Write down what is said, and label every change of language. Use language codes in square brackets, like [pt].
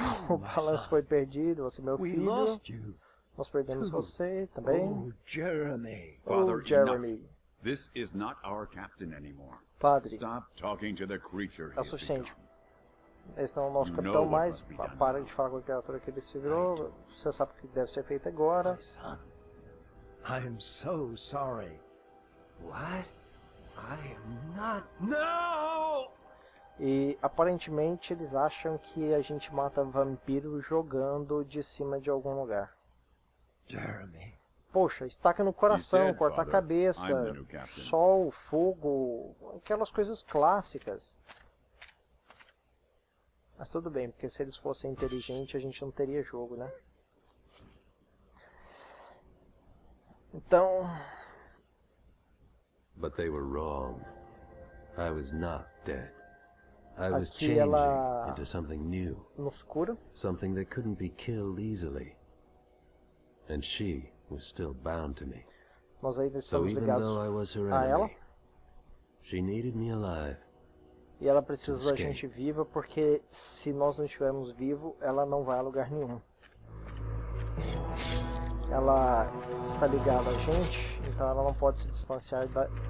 [pt] O balanço foi perdido, você, meu filho. Nós perdemos você também. [en] Oh, Jeremy. This is not our captain anymore. Padre, stop talking to the creature. [pt] É suficiente. Esse não é o nosso capitão mais. Para de falar com a criatura que ele se virou. Você sabe o que deve ser feito agora. [en] I am so sorry. What? I am not. No! [pt] E aparentemente eles acham que a gente mata vampiro jogando de cima de algum lugar. Jeremy. Poxa, estaca no coração, corta a cabeça, sol, fogo, aquelas coisas clássicas. Mas tudo bem, porque se eles fossem inteligentes, a gente não teria jogo, né? Então. [en] But they were wrong. I was not dead. I was changing into something new. [pt] No escuro. [en] Something that couldn't be killed easily. And she was still bound to me. [pt] Nós ainda estamos ligados a ela. [en] She needed me alive. [pt] E ela precisa da gente viva, porque se nós não estivermos vivos, ela não vai a lugar nenhum. Ela está ligada a gente, então ela não pode se distanciar da...